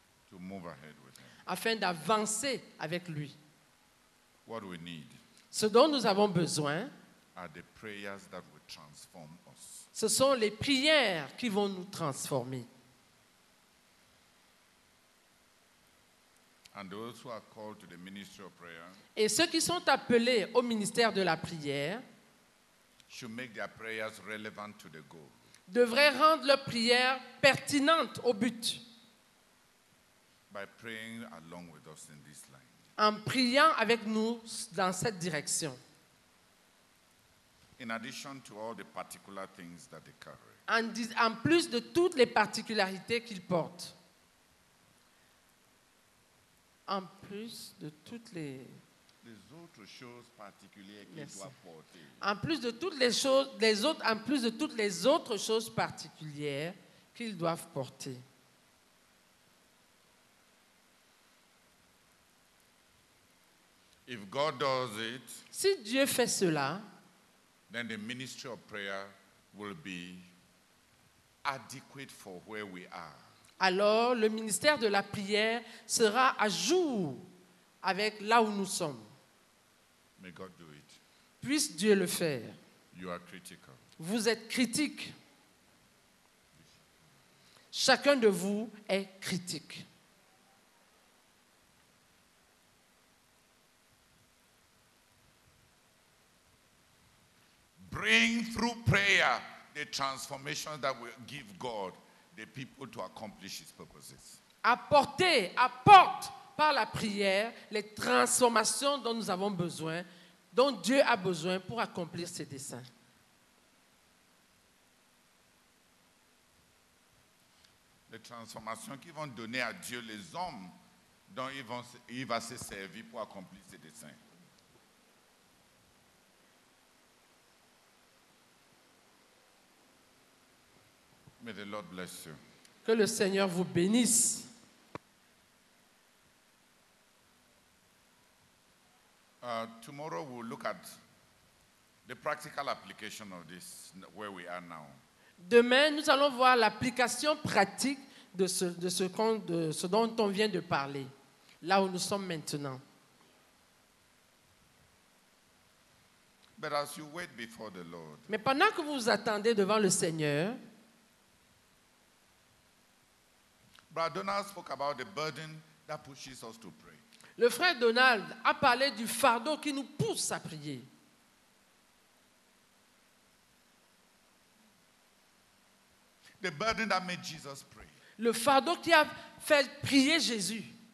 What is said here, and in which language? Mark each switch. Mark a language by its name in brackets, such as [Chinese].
[English] To move ahead with him. [French] Afin d'avancer avec lui. [English] What we need. [French] Ce dont nous avons besoin, [English] are the prayers that will transform us. [French] Ce sont les prières qui vont nous transformer. [English] And those who are called to the ministry of prayer, [French] et ceux qui sont appelés au ministère de la prière [English] should make their prayers relevant to the goal. [French] Devraient rendre leurs prières pertinentes au but. [English] By praying along with us in this line. [French] En priant avec nous dans cette direction. [English] In addition to all the particular things that they carry. [French] En plus de toutes les particularités qu'ils portent. En plus de toutes les autres choses particulières qu'ils Merci. Doivent porter. En plus de toutes les choses les autres en plus de toutes les autres choses particulières qu'ils doivent porter. [English] If God does it, [French] si Dieu fait cela, [English] then the ministry of prayer will be adequate for where we are. [French] Alors le ministère de la prière sera à jour avec là où nous sommes. [English] May God do it. [French] Puisse Dieu le faire. [English] You are critical. [French] Vous êtes critique. Chacun de vous est critique. [English] Bring through prayer the transformation that will give God the people to accomplish his purposes. [French] Apporte par la prière les transformations dont nous avons besoin, dont Dieu a besoin pour accomplir ses desseins. Les transformations qui vont donner à Dieu les hommes dont il va se servir pour accomplir ses desseins. [English] May the Lord bless you. [French] Que le Seigneur vous bénisse. [English] Tomorrow we'll look at the practical application of this where we are now. [French] Demain, nous allons voir l'application pratique de ce dont on vient de parler, là où nous sommes maintenant. [English] But as you wait before the Lord. [French] Mais pendant que vous attendez devant le Seigneur. [English] Brother Donald spoke about the burden that pushes us to pray. [French] Le frère Donald a parlé du fardeau qui nous pousse à prier. [English] The burden that made Jesus pray. [French] Le fardeau qui a fait prier Jésus.